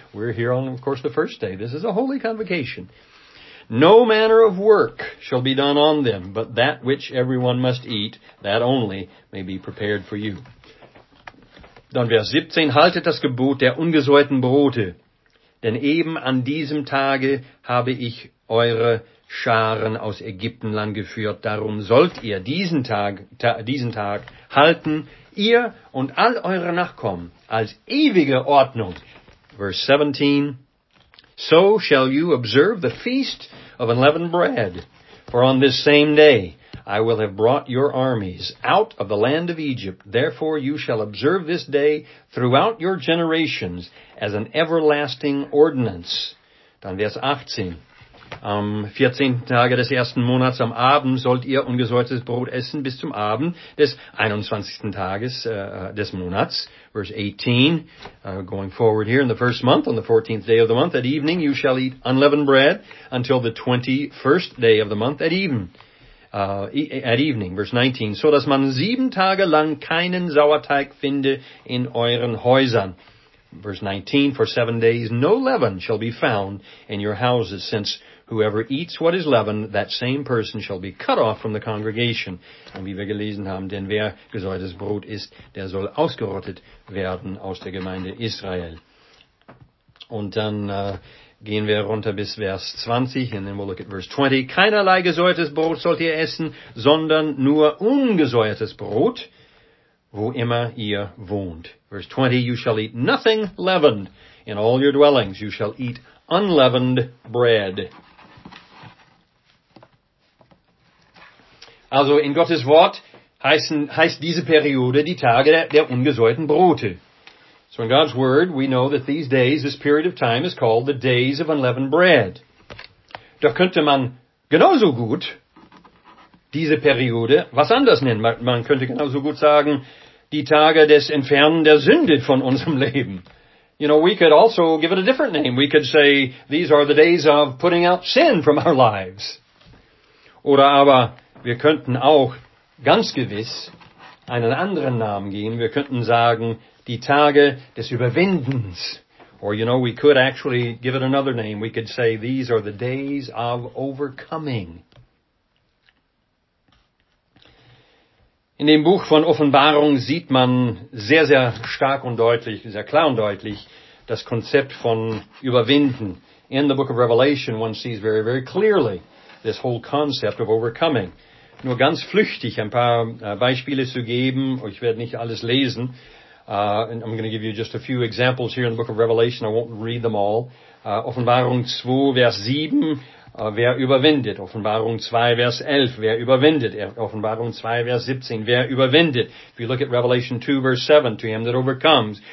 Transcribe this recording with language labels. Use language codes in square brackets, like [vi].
[en] We're here on, of course, the first day. This is a holy convocation. No manner of work shall be done on them, but that which everyone must eat, that only may be prepared for you. [de] Dann Vers 17, haltet das Gebot der ungesäuerten Brote, denn eben an diesem Tage habe ich eure Scharen aus Ägyptenland geführt. Darum sollt ihr diesen Tag halten, ihr und all eure Nachkommen, als ewige Ordnung. [en] Vers 17, so shall you observe the feast of unleavened bread. For on this same day I will have brought your armies out of the land of Egypt. Therefore you shall observe this day throughout your generations as an everlasting ordinance. [de] Dann Vers 18. Am 14. Tage des ersten Monats am Abend sollt ihr ungesäuertes Brot essen bis zum Abend des 21. Tages des Monats. [en] Verse 18, going forward here in the first month, on the 14th day of the month at evening, you shall eat unleavened bread until the 21st day of the month at evening. [de] Verse 19, so dass man 7 Tage lang keinen Sauerteig finde in euren Häusern. [en] Verse 19, for 7 days no leaven shall be found in your houses, since whoever eats what is leavened, that same person shall be cut off from the congregation. [de] Und wie wir gelesen haben, denn wer gesäuertes Brot isst, der soll ausgerottet werden aus der Gemeinde Israel. Und dann gehen wir runter bis Vers 20, [en] and then we'll look at verse 20. [de] Keinerlei gesäuertes Brot sollt ihr essen, sondern nur ungesäuertes Brot, wo immer ihr wohnt. [en] Verse 20, you shall eat nothing leavened in all your dwellings. You shall eat unleavened bread. [de] Also in Gottes Wort heißt diese Periode die Tage der ungesäuerten Brote. [en] So in God's Word, we know that these days, this period of time is called the days of unleavened bread. [de] Da könnte man genauso gut diese Periode was anders nennen. Man könnte genauso gut sagen, die Tage des Entfernen der Sünde von unserem Leben. [en] You know, we could also give it a different name. We could say, these are the days of putting out sin from our lives. [de] Oder aber, wir könnten auch ganz gewiss einen anderen Namen geben. Wir könnten sagen, die Tage des Überwindens. [en] Or, you know, we could actually give it another name. We could say, these are the days of overcoming. [de] In dem Buch von Offenbarung sieht man sehr, sehr stark und deutlich, sehr klar und deutlich, das Konzept von Überwinden. [en] In the book of Revelation, one sees very, very clearly this whole concept of overcoming. [de] Nur ganz flüchtig ein paar Beispiele zu geben, ich werde nicht alles lesen. [en] I'm going to give you just a few examples here in the book of Revelation, I won't read them all. [de] Offenbarung 2, Vers 7. Wer überwindet? Offenbarung 2, Vers 11. Wer überwindet? Offenbarung 2, Vers 17. Wer überwindet? [en] If you look at Revelation 2, Verse 7, to him that overcomes.